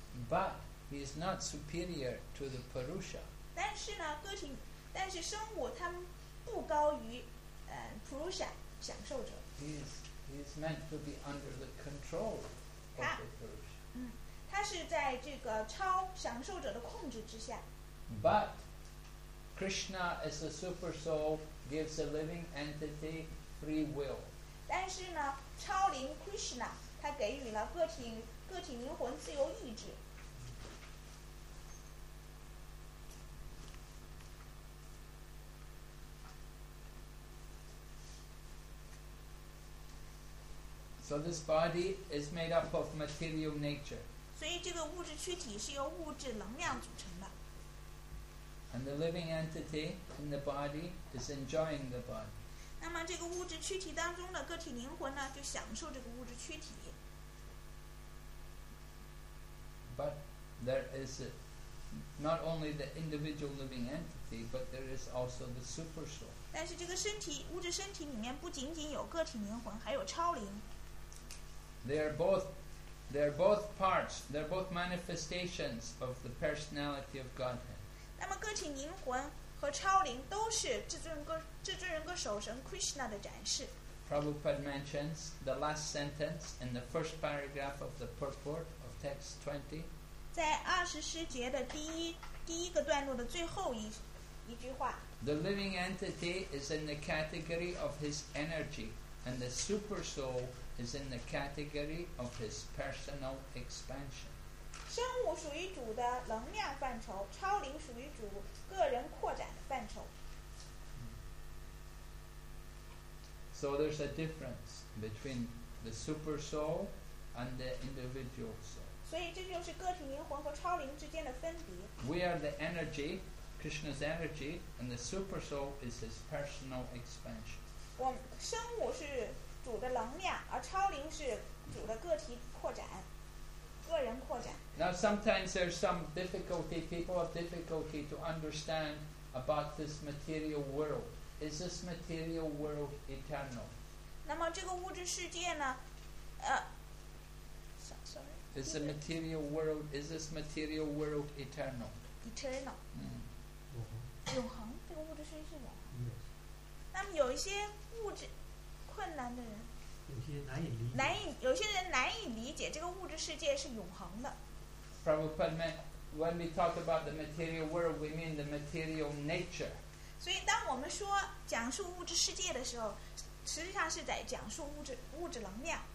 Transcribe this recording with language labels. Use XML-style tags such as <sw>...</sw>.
<en>But he is not superior to the Purusha.</en> <zh>但是呢，个体，但是生物它不高于Purusha 享受者。</zh> <en>He is meant to be under the control of the Purusha.</en> <zh>他是在这个超享受者的控制之下。</zh> <en>But Krishna as the super soul gives a living entity free will.</en> <zh>但是呢，超灵 Krishna 他给予了个体灵魂自由意志。</zh> <en>So this body is made up of material nature.</en> <zh>所以这个物质躯体是由物质能量组成的。</zh> <en>And the living entity in the body is enjoying the body.</en> <zh>那么这个物质躯体当中的个体灵魂呢，就享受这个物质躯体。</zh> <en>But there is not only the individual living entity, but there is also the super soul.</en> <zh>但是这个身体，物质身体里面不仅仅有个体灵魂，还有超灵。</zh> <en>They are both parts. They are both manifestations of the personality of Godhead.</en> <zh>那么个体灵魂和超灵都是至尊人格首神 Krishna 的展示。</zh> <en>Prabhupada mentions the last sentence in the first paragraph of the purport of text 20.</en> <zh>在二十诗节的第一个段落的最后一句话。</zh> <en>The living entity is in the category of his energy, and the super soul. Is in the category of his personal expansion.</en> <zh>生物属于主的能量范畴，超灵属于主个人扩展的范畴。</zh> <en>So there's a difference between the super soul and the individual soul.</en> <zh>所以这就是个体灵魂和超灵之间的分别。</zh> <en>We are the energy, Krishna's energy, and the super soul is his personal expansion.</en> <zh>我生物是主的能量，而超灵是主的个体扩展，个人扩展。</zh> <en>Now sometimes there's some difficulty. People have difficulty to understand about this material world. Is this material world eternal?</en> <zh>那么这个物质世界呢？</zh> <en>Sorry. Is the material world? Is this material world eternal? Eternal. 嗯。</en> <zh>永恒。永恒，这个物质世界是永恒。那么有一些物质。困难的人，有些人难以理解这个物质世界是永恒的。</zh> <en>Prabhupada, when we talk about the material world, we mean the material nature.</en> <zh>所以，当我们说讲述物质世界的时候，实际上是在讲述物质能量。</zh>